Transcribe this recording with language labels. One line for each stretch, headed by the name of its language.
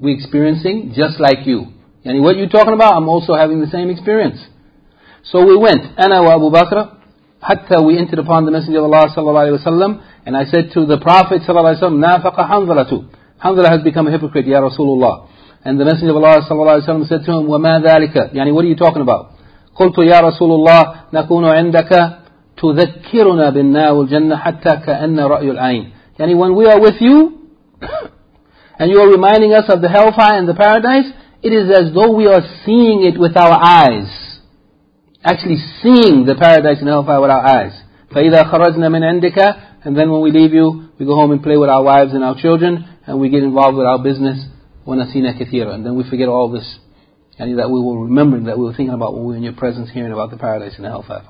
English: We're experiencing just like you. Yani what you're talking about, I'm also having the same experience. So we went,
Arabic: أنا وأبو بكر,
English: حتى we entered upon the Messenger of Allah صلى الله عليه وسلم, and I said to the Prophet صلى الله عليه وسلم,
Arabic: نافق حنظلة.
English: حنظلة has become a hypocrite, يا رسول الله. And the Messenger of Allah صلى الله عليه وسلم said to him,
Arabic: وما ذلك?
English: يعني what are you talking about?
Arabic: قلت يا رسول الله نكون عندك تذكرنا بالنار والجنة حتى كأن رأي العين.
English: يعني when we are with you, and you are reminding us of the hellfire and the paradise, it is as though we are seeing it with our eyes. Actually seeing the paradise and hellfire with our eyes.
Arabic: فَإِذَا خَرَجْنَا مِنْ عِنْدِكَ
English: And then when we leave you, we go home and play with our wives and our children, and we get involved with our business,
Arabic: وَنَسِينَا كَثِيرًا
English: And then we forget all this, and that we were remembering, that we were thinking about when we were in your presence, hearing about the paradise and hellfire.